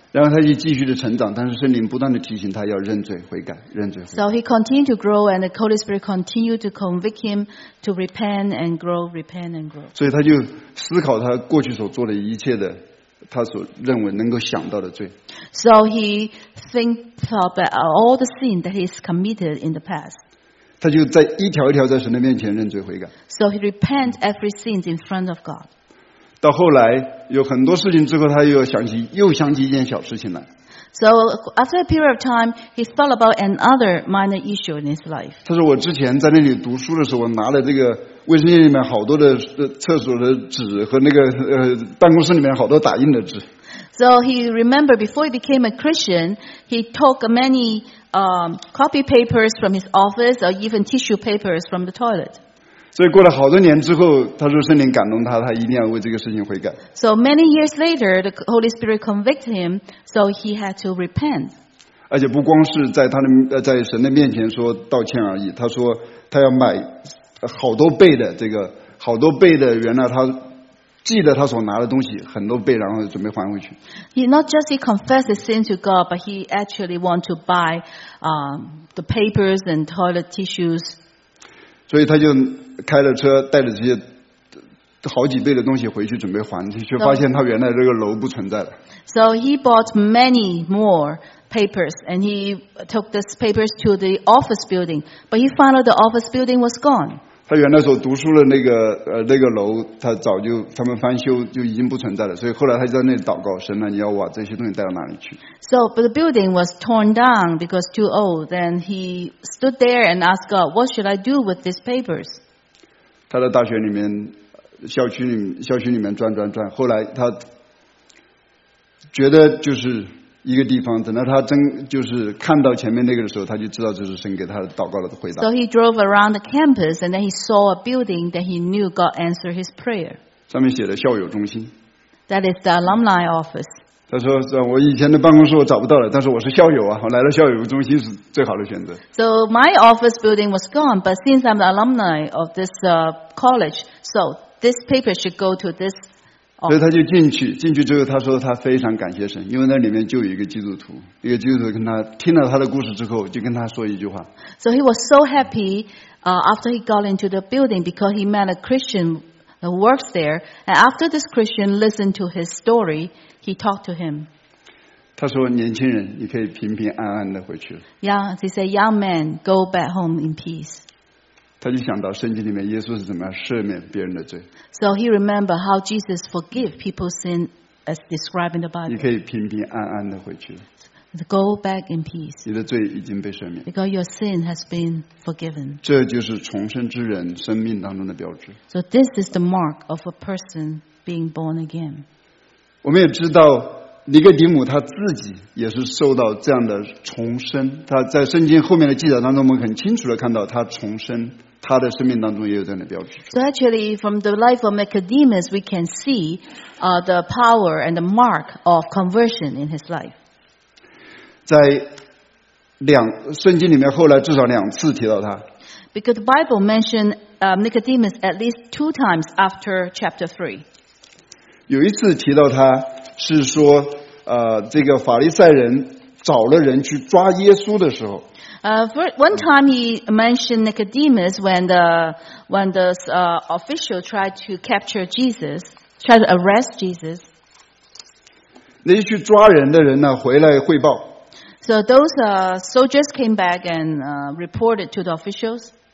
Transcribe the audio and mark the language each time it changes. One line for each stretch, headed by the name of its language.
Chinese: 然后他就继续的成长，但是圣灵不断的提醒他要认罪悔改，认罪悔改。
English: So he continued to grow, and the Holy Spirit continued to convict him to repent and grow, repent and grow.
Chinese: 所以他就思考他过去所做的一切的，他所认为能够想到的罪。
English: So he thinks about all the sin that he's committed in the past.
Chinese: 他就在一条一条在神的面前认罪悔改。
English: So he repents every sin in front of God.
Chinese: 到后来有很多事情之后，他又想起一件小事情来。
English: So after a period of time, he thought about another minor issue in his life.
Chinese: 他说：“我之前在那里读书的时候，我拿了这个卫生间里面好多的厕所的纸和那个办公室里面好多打印的纸。”
English: So he remembered before he became a Christian, he took many copy papers from his office or even tissue papers from the toilet.
Chinese: 所以过了好多年之后，他说圣灵感动他，他一定要为这个事情悔改。
English: So many years later, the Holy Spirit convicted him, so he had to repent.
Chinese: 而且不光是在神的面前说道歉而已，他说他要买好多倍的这个好多倍的原来他记得他所拿的东西很多倍，然后准备还回去。
English: He not just he confessed his sin to God, but he actually want to buy the papers and toilet tissues.
Chinese: 所以他就开了车，带着这些好几倍的东西回去准备还，却发现他原来这个楼不存在了。
English: So he bought many more papers and he took these papers to the office building, but he found out the office building was gone.
Chinese: 他原来所读书的那个楼，他早就他们翻修就已经不存在了，所以后来他就在那里祷告，神啊，你要把这些东西带到哪里去
English: ？So, but the building was torn down because too old. Then he stood there and asked God, "What should I do with these papers?"
Chinese: 他在大学里面。校区里面转，后来他觉得就是一个地方，等到他真就是看到前面那个的时候，他就知道这是神给他的祷告的回答。
English: So he drove around the campus and then he saw a building that he knew God answered his prayer.
Chinese: 上面写的校友中心。
English: That is the alumni office.
Chinese: 他说我以前的办公室我找不到了，但是我是校友啊，我来了校友中心是最好的选择。
English: So my office building was gone, but since I'm the alumni of this college, so. This paper should go to this.、 Office.
Chinese: 所以他就进去之后，他说他非常感谢神，因为那里面就有一个基督徒，一个基督徒跟他听了他的故事之后，就跟他说一句话。
English: So he was so happy, after he got into the building because he met a Christian who works there, and after this Christian listened to his story, he talked to him.
Chinese: 他说：“年轻人，你可以平平安安的回去了。”
English: Yeah, he said, "Young man, go back home in peace."
Chinese: 他就想到圣经里面耶稣是怎么样赦免别人的罪。
English: So he remembered how Jesus forgave people's sin as described in the Bible.
Chinese: 你可以平平安安的回去。
English: Go back in peace.
Chinese: 你的罪已经被赦免。
English: Because your sin has been forgiven.
Chinese: 这就是重生之人生命当中的标志。
English: So this is the mark of a person being born again.
Chinese: 我们也知道尼哥底母他自己也是受到这样的重生，他在圣经后面的记载当中，我们很清楚的看到他重生，他的生命当中也有这样的标志。
English: So actually, from the life of Nicodemus, we can see, the power and the mark of conversion in his life.
Chinese: 在圣经里面后来至少两次提到他。
English: Because the Bible mentioned Nicodemus at least two times after chapter 3.
Chinese: 有一次提到他是说，这个法利赛人找了人去抓耶稣的时候。
English: One time he mentioned Nicodemus when the official tried to capture Jesus, tried to arrest Jesus.
Chinese: 那些去抓人的人呢，回来汇报。
English: So those soldiers came back and reported to the officials.